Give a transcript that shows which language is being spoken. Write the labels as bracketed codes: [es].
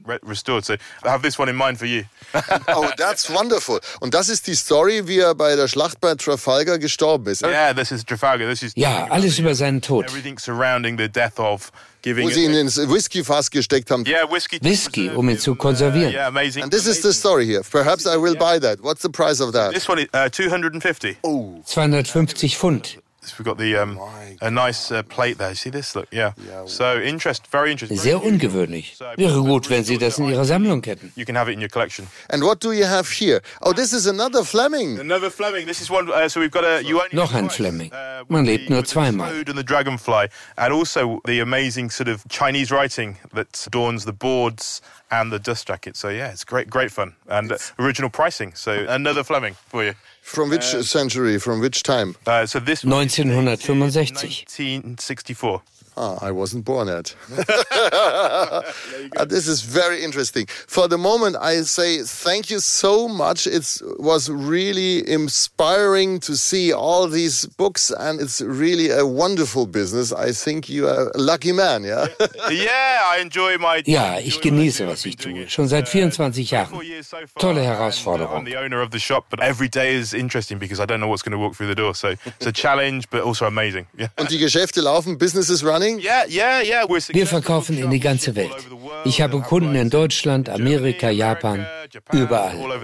[en] Oh, that's wonderful. [de] Und das ist die Story, wie er bei der Schlacht bei Trafalgar gestorben ist. Ja, alles über seinen Tod. Wo sie ihn ins Whisky-Fass gesteckt haben. Whisky, um ihn zu konservieren. [en] And this is the story here. Perhaps I will buy that. What's the price of that? This one is 250. [de] 250 Pfund. [en] We've got the a nice plate there. See this? Look, yeah. So interest, very interesting. [de] Sehr ungewöhnlich. Wäre gut, wenn Sie das in Ihrer Sammlung hätten. [en] You can have it in your collection. And what do you have here? Oh, this is another Fleming. Another Fleming. This is one. So we've got a. [de] Noch ein Fleming. Man lebt nur zweimal. [en] And the dragonfly, and also the amazing sort of Chinese writing that adorns the boards and the dust jacket. So yeah, it's great, great fun, and original pricing. So another Fleming for you. From which century? From which time? So this 1965. 1964. Ah, I wasn't born yet. This is very interesting. For the moment, I say thank you so much. It was really inspiring to see all these books, and it's really a wonderful business. I think you are a lucky man, yeah? Yeah, I enjoy my... [de] Ja, ich genieße, was ich tue, schon seit 24 Jahren. Tolle Herausforderung. [en] I'm the owner of the shop, but every day is interesting because I don't know what's going to walk through the door. So it's a challenge, but also amazing. [de] Und die Geschäfte laufen, [en] business is running? Yeah. [de] Wir verkaufen in die ganze Welt. Ich habe Kunden in Deutschland, Amerika, Japan, überall.